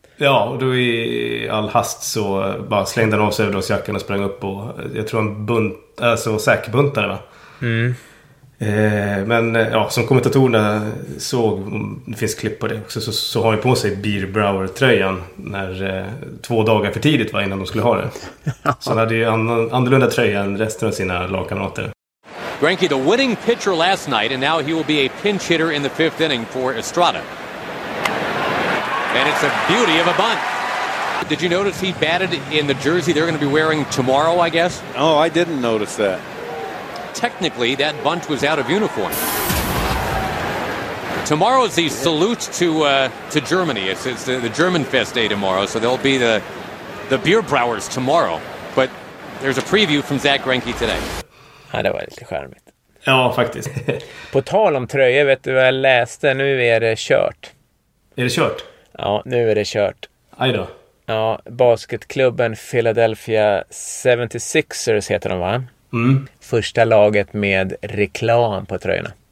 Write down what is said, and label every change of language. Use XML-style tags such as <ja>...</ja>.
<sv>Ja, och då i all hast så bara slängde han av sig överdragsjackan och sprang upp och jag tror han säkerbuntade, va? Men som kommentatorerna såg, det finns klipp på det också, så har han på sig Bierbrauer-tröjan när 2 dagar för tidigt var innan de skulle ha det. Så han hade ju annorlunda tröja än resten av sina lagkamrater.</sv> <en>Greinke, the winning pitcher last night, and now he will be a pinch hitter in the 5th inning for Estrada. And it's a beauty of a bunt. Did you notice he batted in the jersey they're going to be wearing tomorrow, I guess? Oh, I didn't notice that. Technically, that bunt was out of uniform. Tomorrow is the salute to Germany. It's the German Fest Day tomorrow, so there'll be the Bierbrauers tomorrow. But there's a preview from Zach Greinke today.</en> <sv>Ja, det var lite skärmigt. Ja, faktiskt. På tal om tröjor, vet du vad jag läste? Nu är det kört. Är det kört? Ja, nu är det kört. Aj då. Ja, basketklubben Philadelphia 76ers heter de, va? Mm. Första laget med reklam på tröjorna.</sv>